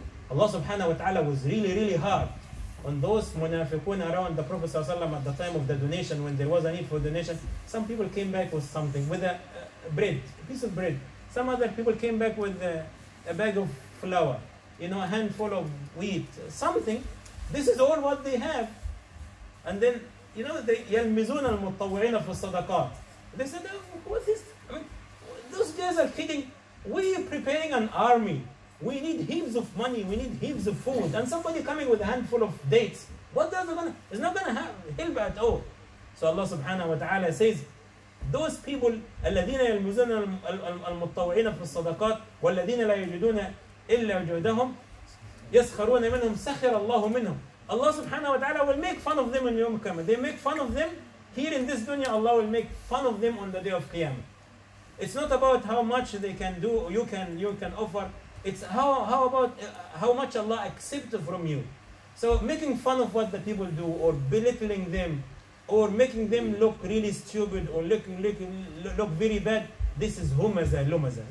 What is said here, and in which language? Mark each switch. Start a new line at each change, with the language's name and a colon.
English: Allah subhanahu wa ta'ala was really, really hard on those munafiqun around the Prophet sallallahu alaihi wasallam at the time of the donation, when there was a need for donation. Some people came back with something, with a piece of bread. Some other people came back with a bag of flour, you know, a handful of wheat, something. This is all what they have. And then, you know, they
Arabic: يلمزون المتطوعين في الصدقات.
English: They said, oh, what is this? I mean, those guys are kidding. We are preparing an army. We need heaps of money. We need heaps of food. And somebody coming with a handful of dates. What does it gonna? It's not going to help at all. So Allah subhanahu wa ta'ala says, those people
Arabic: الذين يلمزون المتطوعين في الصدقات والذين لا يجدون إلا جهدهم يسخرون منهم سخر الله منهم.
English: Allah subhanahu wa ta'ala will make fun of them in Yawm Qiyamah. They make fun of them here in this dunya. Allah will make fun of them on the day of Qiyamah. It's not about how much they can do, you can offer. It's how much Allah accepts from you. So making fun of what the people do, or belittling them, or making them look really stupid, or look very bad, this is humaza, lumaza.